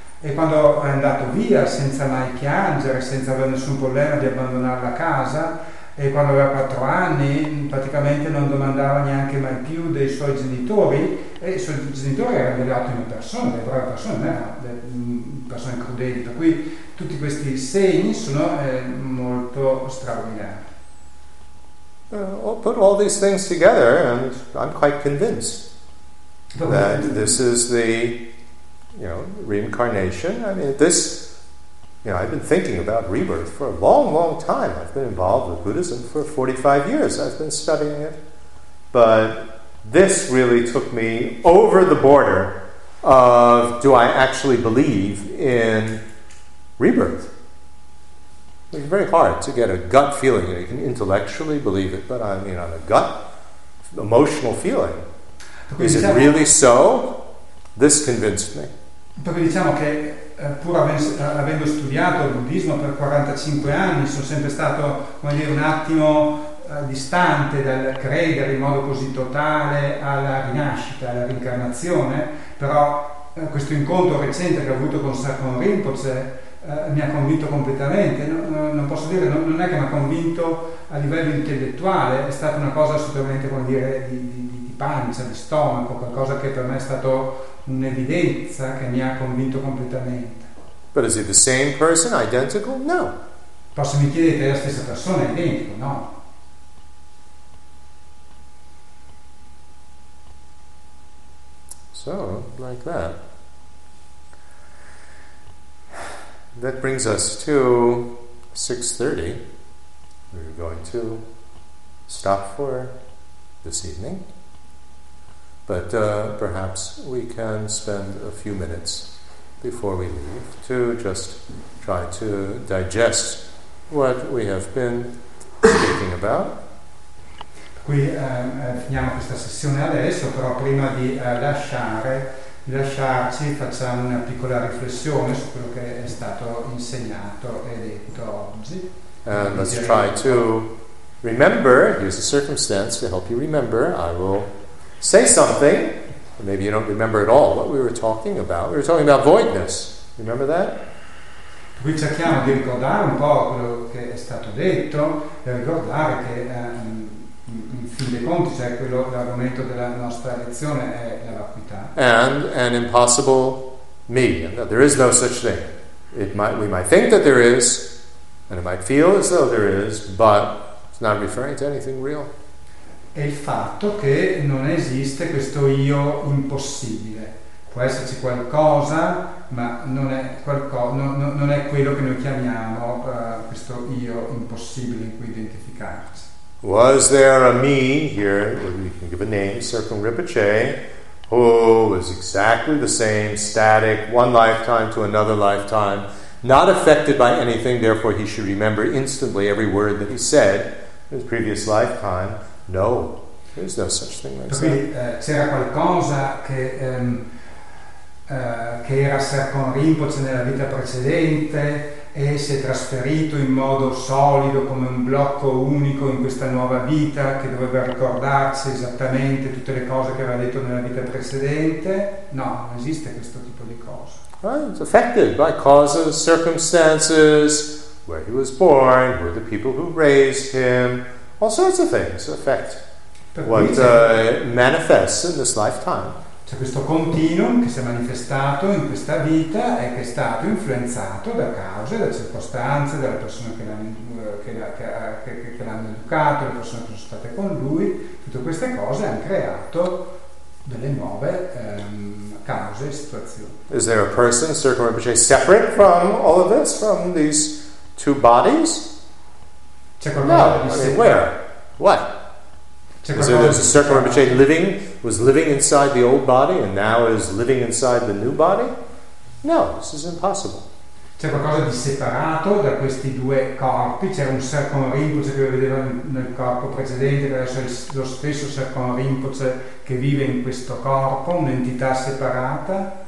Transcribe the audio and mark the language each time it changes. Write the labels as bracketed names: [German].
[Italian] E quando è andato via, senza mai piangere, senza avere nessun problema di abbandonare la casa, e quando aveva 4 anni praticamente non domandava neanche mai più dei suoi genitori, e i suoi genitori erano delle ottime persone, delle brave persone, non erano persone crudeli. Per cui tutti questi segni sono molto straordinari. [English] I'll put all these things together and I'm quite convinced that this is the, you know, reincarnation. I mean, this, you know, I've been thinking about rebirth for a long, long time. I've been involved with Buddhism for 45 years. I've been studying it. But this really took me over the border of, do I actually believe in rebirth? It's very hard to get a gut feeling. You can intellectually believe it, but I mean, on a gut, emotional feeling. Is it really so? This convinced me. [Italian] Perché diciamo che pur avendo studiato il buddismo per 45 anni sono sempre stato, come dire, un attimo distante dal credere in modo così totale alla rinascita, alla reincarnazione, però questo incontro recente che ho avuto con Second Rinpoche mi ha convinto completamente. Non posso dire, non è che mi ha convinto a livello intellettuale, è stata una cosa assolutamente, come dire, di pancia, di stomaco, qualcosa che per me è stato un'evidenza che mi ha convinto completamente. [English] But is it the same person, identical? No. [Italian] Però se mi chiedete, è la stessa persona, è identico? No. [English] So, like that. That brings us to 6:30. We're going to stop for this evening. But perhaps we can spend a few minutes before we leave to just try to digest what we have been speaking about. [Italian] Qui finiamo questa sessione adesso, però prima di lasciarci facciamo una piccola riflessione su quello che è stato insegnato e detto oggi. [English] And let's try to remember, use a circumstance to help you remember. I will say something, or maybe you don't remember at all what we were talking about. We were talking about voidness. Remember that? [Italian] Qui cerchiamo di ricordare un po' quello che è stato detto e ricordare che in fin dei conti c'è quello, l'argomento della nostra lezione è la vacuità. [English] And an impossible me. There is no such thing. We might think that there is, and it might feel as though there is, but it's not referring to anything real. [Italian] È il fatto che non esiste questo io impossibile. Può esserci qualcosa, ma non è quello che noi chiamiamo questo io impossibile in cui identificarci. [English] Was there a me here, where we can give a name, Circumripache, who was exactly the same, static, one lifetime to another lifetime, not affected by anything, therefore he should remember instantly every word that he said in his previous lifetime? No, there is no such thing like that. [Italian] C'era qualcosa che era Circumripache nella vita precedente e si è trasferito in modo solido come un blocco unico in questa nuova vita che doveva ricordarsi esattamente tutte le cose che aveva detto nella vita precedente? No, non esiste questo tipo di cosa. [English] It's affected by causes, circumstances, where he was born, who were the people who raised him, all sorts of things affect what manifests in this lifetime. [Italian] C'è questo continuum che si è manifestato in questa vita e che è stato influenzato da cause, da circostanze, dalle persone che l'hanno educato, le persone che sono state con lui. Tutte queste cose hanno creato delle nuove cause e situazioni. [English] Is there a person, Circumripache, separate from all of this, from these two bodies? [Italian] C'è qualcosa di separato? [English] Where? What? So there's a Circumripache living, was living inside the old body and now is living inside the new body? No, this is impossible. [Italian] C'è qualcosa di separato da questi due corpi? C'è un Circumripache che vedeva nel corpo precedente, che adesso è lo stesso Circumripache che vive in questo corpo, un'entità separata?